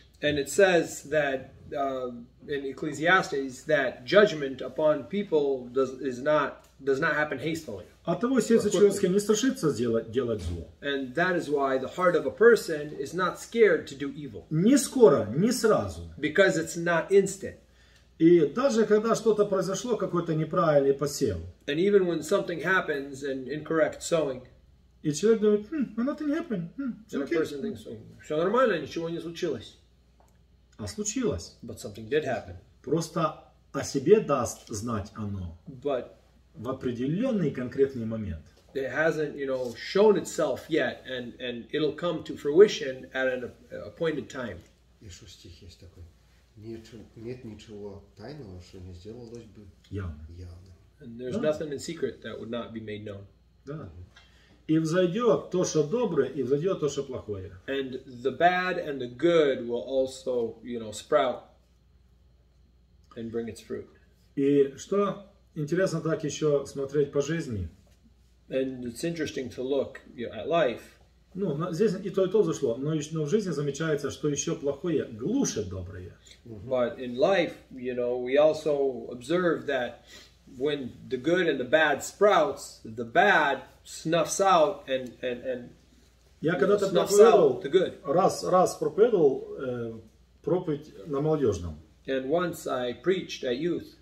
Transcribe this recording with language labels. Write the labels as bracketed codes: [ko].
[en] And it says that in Ecclesiastes that judgment upon people does not happen hastily. [ru] А того сердце человеческое не страшится делать зло. [en] And that is why the heart of a person is not scared to do evil. [ru] Не скоро, не сразу. [en] Because it's not instant. [ru] И даже когда что-то произошло, какой-то неправильный посев. [en] And even when something happens and incorrect sowing. [ru] И человек думает, [en] nothing happened. And okay. A person thinks, [ru] все нормально, ничего не случилось. А случилось. [en] But something did happen. [ru] Просто о себе даст знать оно. [en] But [ru] в определенный конкретный момент. [en] It hasn't, you know, shown itself yet, and it'll come to fruition at an appointed time. [ru] Еще стих есть такой. Нет ничего тайного, что не сделалось бы явным. [en] And there's nothing in secret that would not be made known. [ru] Да. И взойдет то, что доброе, и взойдет то, что плохое. [en] And the bad and the good will also, you know, sprout and bring its fruit. [ru] И что интересно так еще смотреть по жизни. [en] And it's interesting to look, you know, at life. [ru] Ну, здесь и то, и то зашло. Но в жизни замечается, что еще плохое глушит доброе. [en] But in life, you know, we also observe that when the good and the bad sprouts, the bad snuffs out and [ru] я когда-то раз проповедовал проповедь на молодежном. [en] And once I preached at youth.